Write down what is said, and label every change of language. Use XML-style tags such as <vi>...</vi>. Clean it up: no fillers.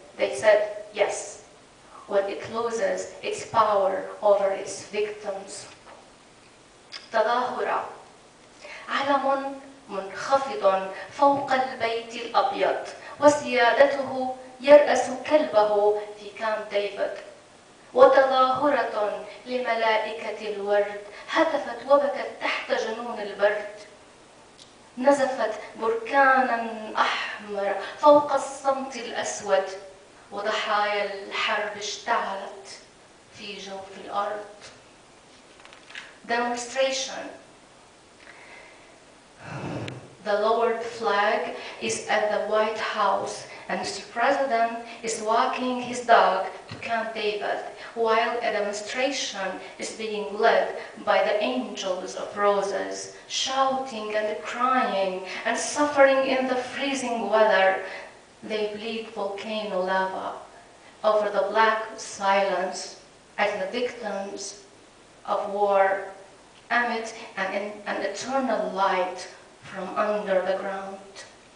<en>They said, yes, when it loses its power over its victims.</en> <ar>تظاهرة. علم منخفض فوق البيت الأبيض وسيادته يرأس كلبه في كامب ديفيد وتظاهرة لملائكة الورد هتفت وبكت تحت جنون البرد نزفت بركانا أحمر فوق الصمت الأسود وضحايا الحرب اشتعلت في جوف الأرض</ar> <en>Demonstration The lowered flag is at the White House, and Mr. President is walking his dog to Camp David, while a demonstration is being led by the Angels of Roses, shouting and crying and suffering in the freezing weather. They bleed volcano lava over the black silence as the victims of war emit an eternal light from under the ground.</en>